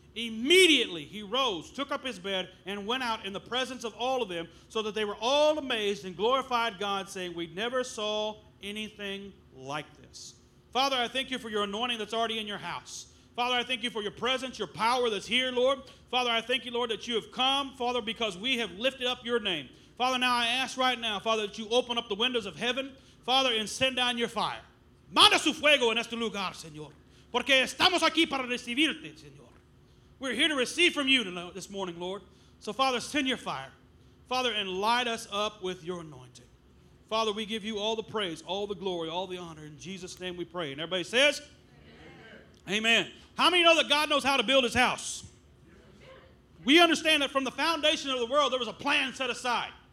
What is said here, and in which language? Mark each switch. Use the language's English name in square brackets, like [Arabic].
[English] Immediately he rose, took up his bed, and went out in the presence of all of them, so that they were all amazed and glorified God, saying, 'We never saw anything like this.'" Father, I thank you for your anointing that's already in your house. Father, I thank you for your presence, your power that's here, Lord. Father, I thank you, Lord, that you have come, Father, because we have lifted up your name. Father, now I ask right now, Father, that you open up the windows of heaven, Father, and send down your fire. [Spanish] Manda su fuego en este lugar, Señor. Porque estamos aquí para recibirte, Señor. [English] We're here to receive from you this morning, Lord. So, Father, send your fire. Father, and light us up with your anointing. Father, we give you all the praise, all the glory, all the honor. In Jesus' name we pray. And everybody says, amen. Amen. How many know that God knows how to build his house? We understand that from the foundation of the world, there was a plan set aside.